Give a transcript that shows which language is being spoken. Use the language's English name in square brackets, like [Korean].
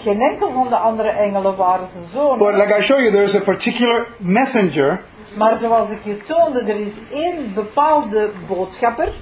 [Dutch] Geen enkel van de andere engelen waren zijn zoon. [English] But like I show you, there is a particular messenger. [Dutch] Maar zoals ik je toonde, er is één bepaalde boodschapper.